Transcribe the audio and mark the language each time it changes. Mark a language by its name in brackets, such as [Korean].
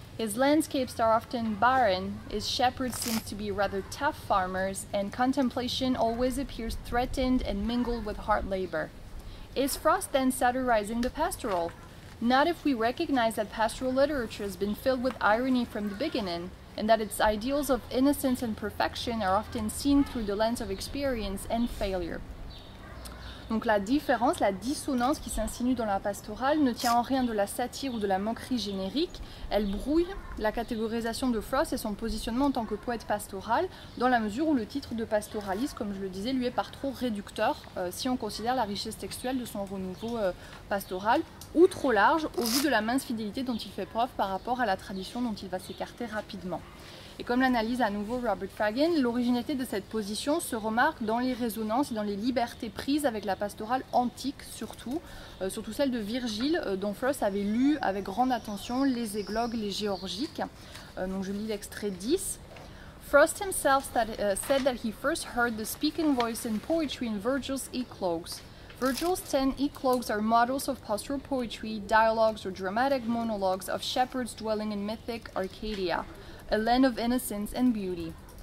[English] His landscapes are often barren, his shepherds seem to be rather tough farmers, and contemplation always appears threatened and mingled with hard labor. Is Frost then satirizing the pastoral? Not if we recognize that pastoral literature has been filled with irony from the beginning, and that its ideals of innocence and perfection are often seen through the lens of experience and failure. [French] Donc la différence, la dissonance qui s'insinue dans la pastorale ne tient en rien de la satire ou de la moquerie générique. Elle brouille la catégorisation de Frost et son positionnement en tant que poète pastoral dans la mesure où le titre de pastoraliste, comme je le disais, lui est par trop réducteur si on considère la richesse textuelle de son renouveau pastoral ou trop large au vu de la mince fidélité dont il fait preuve par rapport à la tradition dont il va s'écarter rapidement. Et comme l'analyse à nouveau Robert Fagan, l'originalité de cette position se remarque dans les résonances et dans les libertés prises avec la pastorale antique surtout celle de Virgile, dont Frost avait lu avec grande attention les églogues, les géorgiques. Donc je lis l'extrait 10. [English] Frost himself said that he first heard the speaking voice in poetry in Virgil's eclogues. Virgil's 10 eclogues are models of pastoral poetry, dialogues or dramatic monologues of shepherds dwelling in mythic Arcadia, a land of innocence and beauty.